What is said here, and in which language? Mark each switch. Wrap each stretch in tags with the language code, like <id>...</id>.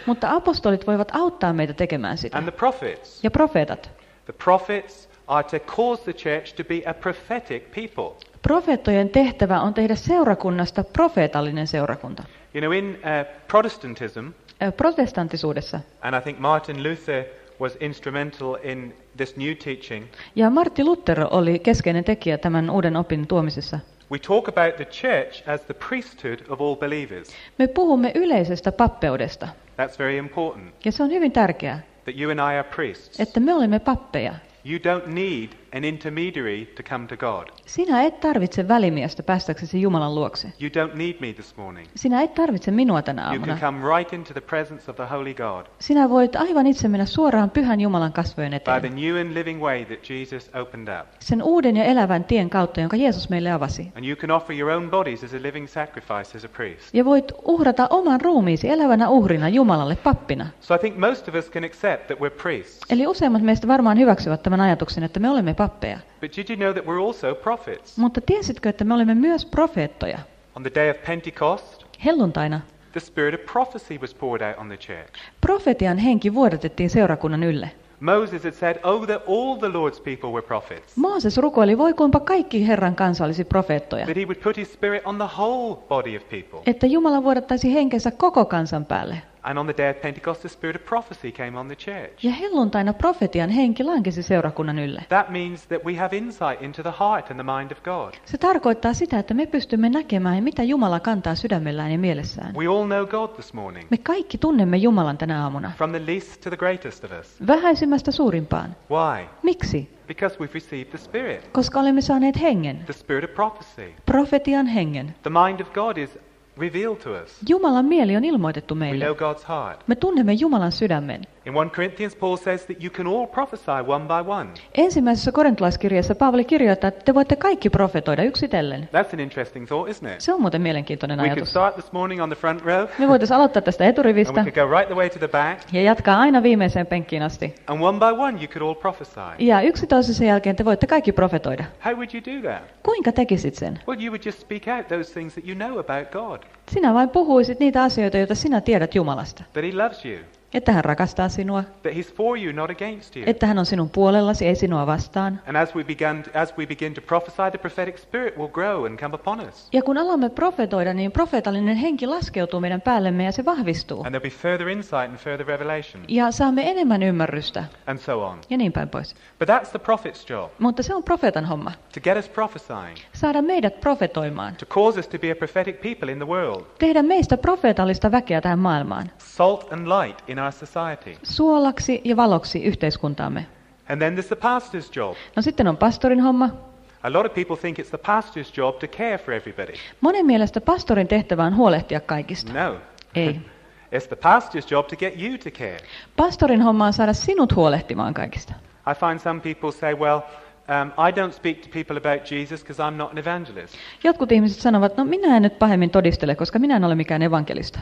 <fi>Mutta apostolit voivat auttaa meitä tekemään sitä.</fi> <en>And the prophets.</en> <fi>Ja profeetat.</fi> <en>The prophets are to cause the church to be a prophetic people.</en> <fi>Profeettojen tehtävä on tehdä seurakunnasta profeetallinen seurakunta.</fi> <en>You know, in Protestantism.</en> <fi>Protestantisuudessa.</fi> <en>And I think Martin Luther was instrumental in this new teaching.</en> <fi>Ja Martti Luther oli keskeinen tekijä tämän uuden opin tuomisessa.</fi> <en>We talk about the church as the priesthood of all believers.</en> <fi>Me puhumme yleisestä pappeudesta.</fi> <en>That's very important.</en> <fi>Ja se on hyvin tärkeää.</fi> <en>That you and I are priests.</en> <fi>Että me olemme pappeja.</fi> <en>You don't need an intermediary to come to God.</en> <fi>Sinä et tarvitse välimiestä päästäksesi Jumalan luokse.</fi> <en>You don't need me this morning.</en> <fi>Sinä et tarvitse minua tänä aamuna.</fi> <en>You can come right into the presence of the Holy God.</en> <fi>Sinä voit aivan itse mennä suoraan pyhän Jumalan kasvojen eteen.</fi> <en>By the new and living way that Jesus opened up.</en> <fi>Sen uuden ja elävän tien kautta, jonka Jeesus meille avasi.</fi> <en>And you can offer your own bodies as a living sacrifice as a priest.</en> <fi>Ja voit uhrata oman ruumiisi elävänä uhrina Jumalalle pappina.</fi> <en>So I think most of us can accept that we're priests.</en> <fi>Eli useimmat meistä varmaan hyväksyvät tämän ajatuksen, että me olemme pappeja.</fi> <en>But did you know that we're also prophets?</en> <fi>Mutta tiesitkö, että me olemme myös profeettoja?</fi> <en>On the day of Pentecost,</en> <fi>helluntaina,</fi> <en>the spirit of prophecy was poured out on the church.</en> <fi>Profetian henki vuodatettiin seurakunnan ylle.</fi> <en>Moses had said, "Oh, that all the Lord's people were prophets."</en> <fi>Mooses rukoili, voi kuinka kaikki Herran kansa olisi profeettoja.</fi> <en>That he would put his spirit on the whole body of people.</en> <fi>Että Jumala vuodattaisi henkensä koko kansan päälle.</fi> <en>And on the day of Pentecost, the spirit of prophecy came on the church.</en> <fi>Ja helluntaina profetian henki lankesi seurakunnan ylle.</fi> <en>That means that we have insight into the heart and the mind of God.</en> <fi>Se tarkoittaa sitä, että me pystymme näkemään, mitä Jumala kantaa sydämellään ja mielessään.</fi> <en>We all know God this morning.</en> <fi>Me kaikki tunnemme Jumalan tänä aamuna.</fi> <en>From the least to the greatest of us.</en> <fi>Vähäisimmästä suurimpaan.</fi> <en>Why?</en> <fi>Miksi?</fi> <en>Because we've received the spirit.</en> <fi>Koska olemme saaneet hengen.</fi> <en>The spirit of prophecy.</en> <fi>Profetian hengen.</fi> <en>The mind of God is revealed to us.</en> <fi>Jumalan mieli on ilmoitettu meille.</fi> <en>We know God's heart.</en> <fi>Me tunnemme Jumalan sydämen.</fi> <en>In 1 Corinthians Paul says that you can all prophesy one by one.</en> <fi>Ensimmäisessä korintalaiskirjassa Paavali kirjoittaa, että te voitte kaikki profetoida yksitellen.</fi> <en>That's an interesting thought, isn't it?</en> <fi>Se on muuten mielenkiintoinen ajatus.</fi> <en>We could start this morning on the front row.</en> <fi>Me voitaisiin aloittaa tästä eturivistä.</fi> <en>And we could go right the way to the back.</en> <fi>Ja jatkaa aina viimeiseen penkkiin asti.</fi> <en>And one by one you could all prophesy.</en> <fi>Ja yksi toisensa jälkeen te voitte kaikki profetoida.</fi> <en>How would you do that?</en> <fi>Kuinka tekisit sen?</fi> <en>Well, you would just speak out those things that you know about God.</en> <fi>Sinä vain puhuisit niitä asioita, joita sinä tiedät Jumalasta.</fi> <en>That he loves you.</en> <fi>Että hän rakastaa sinua.</fi> <en>That he's for you, not against you.</en> <fi>Että hän on sinun puolellasi, ei sinua vastaan.</fi> <en>And as we begin to prophesy, the prophetic spirit will grow and come upon us.</en> <fi>Ja kun alamme profetoida, niin profeetallinen henki laskeutuu meidän päällemme ja se vahvistuu.</fi> <en>And there'll be further insight and further revelation.</en> <fi>Ja saamme enemmän ymmärrystä.</fi> <en>And so on.</en> <fi>Ja niin päin pois.</fi> <en>But that's the prophet's job.</en> <fi>Mutta se on profeetan homma.</fi> <en>To get us prophesying.</en> <fi>Saada meidät profetoimaan.</fi> <en>To cause us to be a prophetic people in the world.</en> <fi>Tehdä meistä profeetallista väkeä tähän maailmaan.</fi> <en>Salt and light in our society.</en> <fi>Suolaksi ja valoksi yhteiskuntaamme.</fi> <en>And then there's the pastor's job.</en> <fi>No sitten on pastorin homma.</fi> <en>A lot of people think it's the pastor's job to care for everybody.</en> <fi>Monen mielestä pastorin tehtävä on huolehtia kaikista.</fi> <en>No.</en> <fi>Ei.</fi> <en>It's the pastor's job to get you to care.</en> <fi>Pastorin homma on saada sinut huolehtimaan kaikista.</fi> <en>I find some people say, well, I don't speak to people about Jesus because I'm not an evangelist.</en> <fi>Jotkut ihmiset sanovat, no minä en nyt pahemmin todistele, koska minä en ole mikään evankelista.</fi>